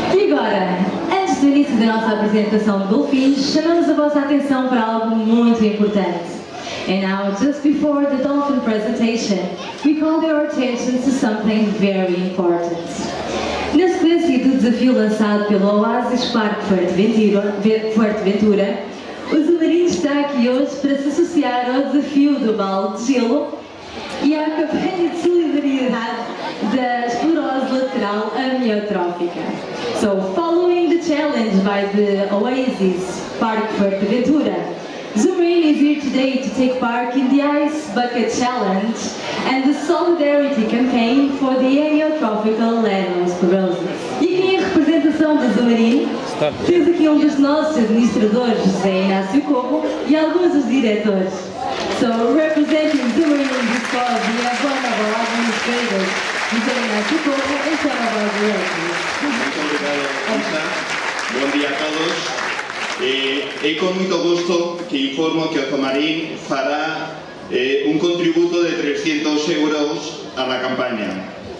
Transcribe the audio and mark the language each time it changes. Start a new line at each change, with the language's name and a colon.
Portuguese: Ora, antes do início da nossa apresentação de Dolphins, chamamos a vossa atenção para algo muito importante.
English: And now, just before the Dolphin presentation, we call your attention to something very important.
Portuguese: Na sequência do desafio lançado pelo Oasis Parque Fuerteventura, o Zumarino está aqui hoje para se associar ao desafio do balde de gelo e à campanha de solidariedade da esclerose lateral amiotrófica.
English: So, following the challenge by the Oasis Parque Fuerteventura, Zumarino is here today to take part in the Ice Bucket Challenge and the Solidarity Campaign for the Amyotrophic Lateral Sclerosis.
Portuguese: E quem é a representação do Zumarino? Temos aqui um dos nossos administradores, José Inácio Cobo, e alguns dos diretores.
English: So, representing Zumarino this cause, we have one of our administrators, José Inácio Cobo, and some of our directors.
Portuguese: Muito obrigado. Bom dia a todos.
Galician: E con moito gusto que informo que o Zumarín fará un contributo de 300 euros
Spanish: a la campaña.